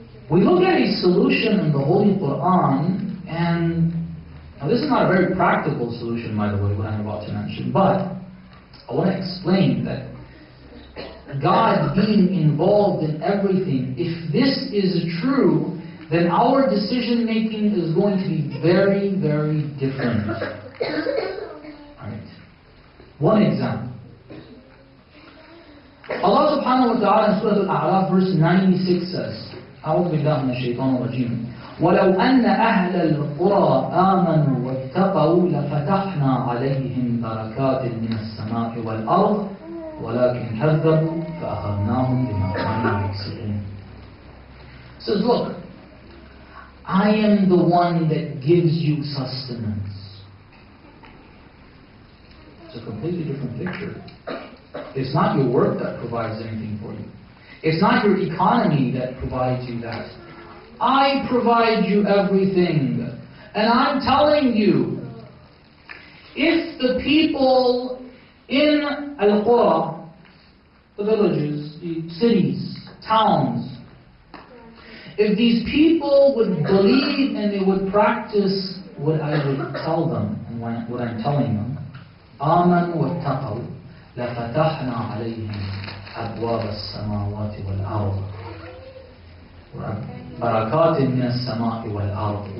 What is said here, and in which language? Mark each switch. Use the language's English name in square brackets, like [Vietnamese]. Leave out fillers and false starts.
[English] We look at a solution in the Holy Quran, and now this is not a very practical solution, by the way, what I'm about to mention, but I want to explain that God being involved in everything, if this is true, then our decision making is going to be very, very different. Alright. One example. Allah subhanahu wa ta'ala in Surah Al-A'la verse 96 says, [Arabic] أعوذ بالله من الشيطان الرجيم. وَلَوْ أَنَّ أَهْلَ الْقُرَىٰ آمَنُوا وَاتَّقَوُوا لَفَتَحْنَا عَلَيْهِمْ بَرَكَاتٍ مِنَ السَّمَاءِ وَالْأَرْضِ وَلَكِنْ كَذَّبُوا فَأَخَذْنَاهُمْ بِمَا كَانُوا يَكْسِبُونَ. [English] Says, look, I am the one that gives you sustenance. It's a completely different picture. It's not your work that provides anything for you. It's not your economy that provides you that. I provide you everything. And I'm telling you, if the people in Al-Qura, the villages, the cities, towns, if these people would believe and they would practice what I would tell them, and what I'm telling them, [Arabic] آمن واتقوا لفتحنا عليهم أبواب السماوات والأرض بركات من السماء والأرض.